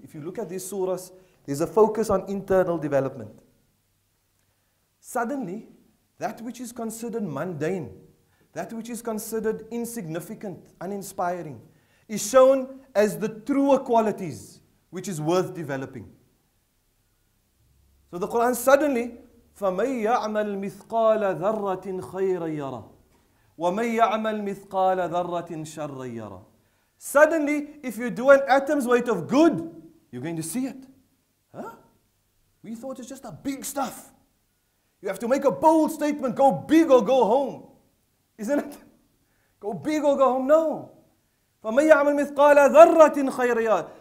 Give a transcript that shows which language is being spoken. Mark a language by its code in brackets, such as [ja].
[en] If you look at these surahs, there's a focus on internal development. Suddenly, that which is considered mundane, that which is considered insignificant, uninspiring, is shown as the truer qualities which is worth developing. So the Quran suddenly, [ar] فَمَنْ يَعْمَلْ مِثْقَالَ ذَرَّةٍ خَيْرًا يَرَى وَمَنْ يَعْمَلْ مِثْقَالَ ذَرَّةٍ شَرًّا يَرَى. [en] Suddenly, if you do an atom's weight of good, you're going to see it. Huh? We thought it's just a big stuff. You have to make a bold statement, go big or go home. Isn't it? Go big or go home? No. [ar] فَمَنْ يَعْمَلْ مِثْقَالَ ذَرَّةٍ خَيْرًا يَرَى.